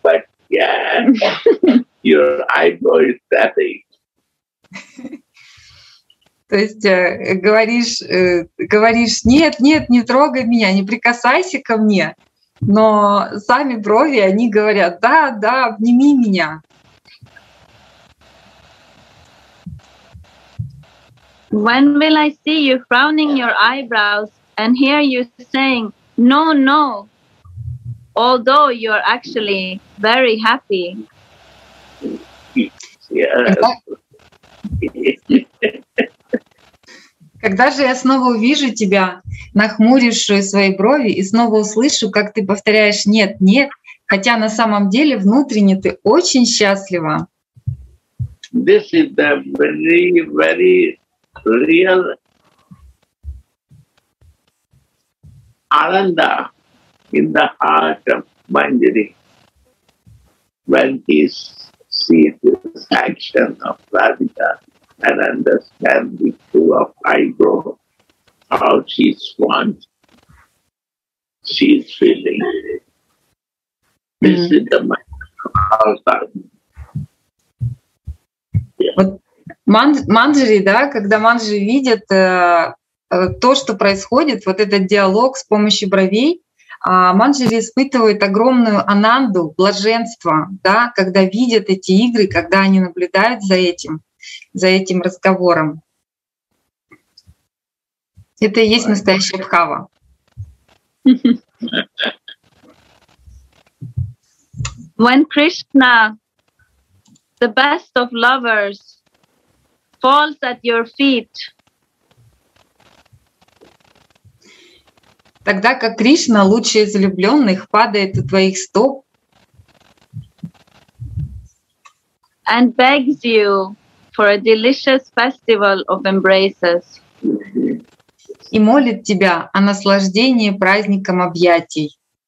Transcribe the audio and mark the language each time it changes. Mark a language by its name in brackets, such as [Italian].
[English] But yes, your eyebrow is tapping. [Russian] То есть говоришь: нет, нет, не трогай меня, не прикасайся ко мне. Но сами брови, они говорят: да, да, обними меня. [English] When will I see you frowning your eyebrows and hear you saying no, no, although you're actually very happy? [Russian] Когда же я снова увижу тебя, нахмурившую свои брови, и снова услышу, как ты повторяешь: нет, нет, хотя на самом деле внутренне ты очень счастлива. [English] This is the very, very real Ananda in the heart of Manjari. When he sees this action of Radhika, and understand the truth of eyebrow, how she wants, she is feeling. This is the mind of our heart. [Russian] Вот Манджари, да, когда Манджари видит то, что происходит, вот этот диалог с помощью бровей, Манджари испытывает огромную ананду, блаженство, да, когда видят эти игры, когда они наблюдают за этим. За этим разговором. Это и есть настоящая бхава. [English] When Krishna, the best of lovers, falls at your feet, [Russian] Тогда как Кришна, луч излюбленных, падает у твоих стоп. [English] And begs you for a delicious festival of embraces. [Russian] И молит тебя о наслаждении праздником объятий.